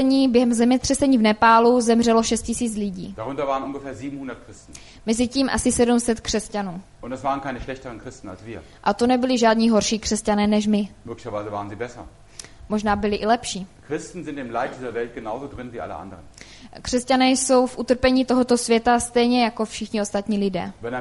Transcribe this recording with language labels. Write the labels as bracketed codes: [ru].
[cs] Během zemětřesení v Nepálu zemřelo 6000 lidí. [de] Darunter waren ungefähr 700 Christen. [cs] Mezi tím asi 700 křesťanů. [de] Und es waren keine schlechteren Christen als wir. [cs] A to nebyli žádní horší křesťané než my. [de] Möglicherweise waren sie besser. [cs] Možná byli i lepší. [de] Christen sind im Leid dieser Welt genauso drin wie alle anderen. [cs] Křesťané jsou v utrpení tohoto světa stejně jako všichni ostatní lidé.